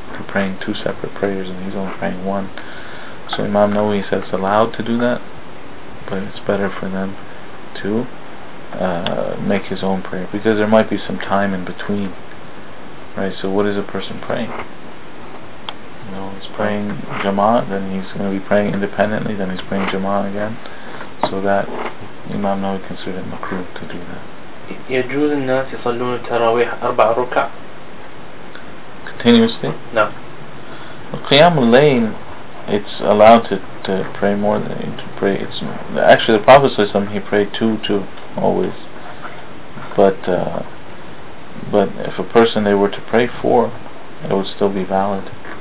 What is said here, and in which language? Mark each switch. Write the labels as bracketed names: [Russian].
[English] They're praying two separate prayers, and he's only praying one. So Imam Nawawi says it's allowed to do that, but it's better for them to make his own prayer, because there might be some time in between, right? So what is a person praying? You know, he's praying Jama'ah, then he's going to be praying independently, then he's praying Jama'ah again, so that Imam Nawawi considered makruh to do that. [Arabic] يجوز الناس يصلون التراويح أربع ركع. [English] Continuously? No. [Arabic] قيام الليل, [English] it's allowed to pray more than to pray. It's actually the Prophet ﷺ, he prayed two always. But if a person they were to pray four, it would still be valid.